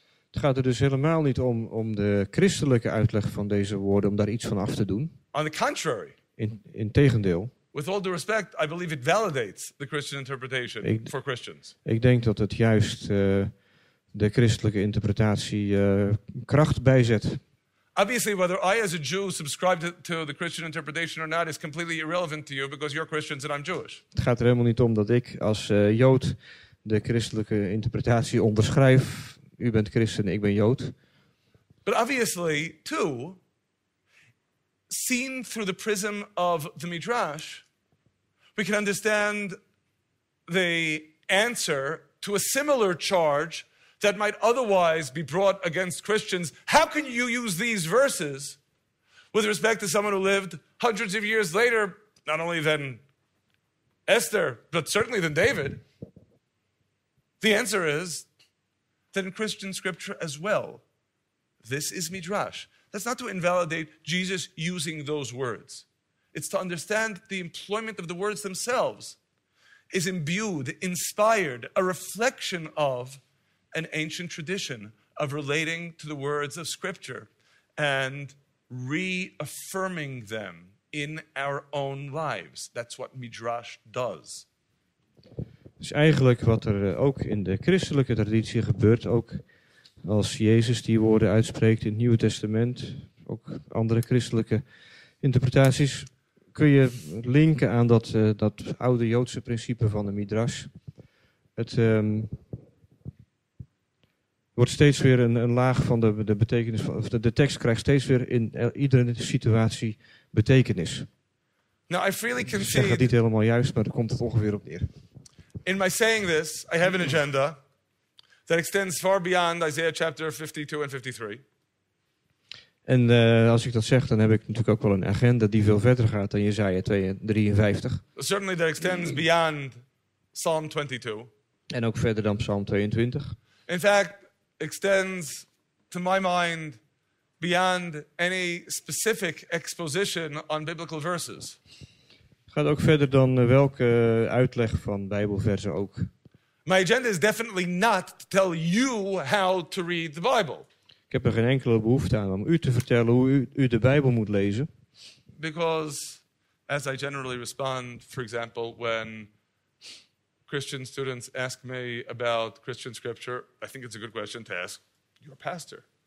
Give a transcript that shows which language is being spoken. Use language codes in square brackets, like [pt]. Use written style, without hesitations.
[nl] Het gaat er dus helemaal niet om de christelijke uitleg van deze woorden, om daar iets van af te doen. [en] On the contrary. [nl] In tegendeel. [en] With all due respect, I believe it validates the Christian interpretation for Christians. [nl] Ik denk dat het juist de christelijke interpretatie kracht bijzet. [en] Obviously, whether I as a Jew subscribe to the Christian interpretation or not is completely irrelevant to you because you're Christians and I'm Jewish. [nl] Het gaat er helemaal niet om dat ik als Jood de christelijke interpretatie onderschrijf. U bent christen, ik ben Jood. [en] But obviously, too, seen through the prism of the Midrash, we can understand the answer to a similar charge that might otherwise be brought against Christians. How can you use these verses with respect to someone who lived hundreds of years later, not only than Esther, but certainly than David? The answer is that in Christian scripture as well, this is Midrash. That's not to invalidate Jesus using those words. It's to understand the employment of the words themselves is imbued, inspired, a reflection of an ancient tradition of relating to the words of scripture and reaffirming them in our own lives. That's what Midrash does. [nl] Dus eigenlijk wat er ook in de christelijke traditie gebeurt, ook als Jezus die woorden uitspreekt in het Nieuwe Testament, ook andere christelijke interpretaties, kun je linken aan dat oude Joodse principe van de Midrash. Het wordt steeds weer een laag van de betekenis, of de tekst krijgt steeds weer in iedere situatie betekenis. [en] Now, I freely concede. [nl] Ik zeg dat niet helemaal juist, maar daar komt het ongeveer op neer. [en] In my saying this, I have an agenda that extends far beyond Isaiah chapter 52 and 53. [nl] En als ik dat zeg, dan heb ik natuurlijk ook wel een agenda die veel verder gaat dan Jesaja 53. [en] Certainly that extends beyond Psalm 22. [nl] En ook verder dan Psalm 22. [en] In fact, extends to my mind beyond any specific exposition on biblical verses. [nl] Gaat ook verder dan welke uitleg van Bijbelversen ook. [en] My agenda is definitely not to tell you how to read the Bible. [nl] Ik heb er geen enkele behoefte aan om u te vertellen hoe u de Bijbel moet lezen. [en] Because, as I generally respond, for example, when Christian students ask me about Christian scripture, I think it's a good question to ask your pastor.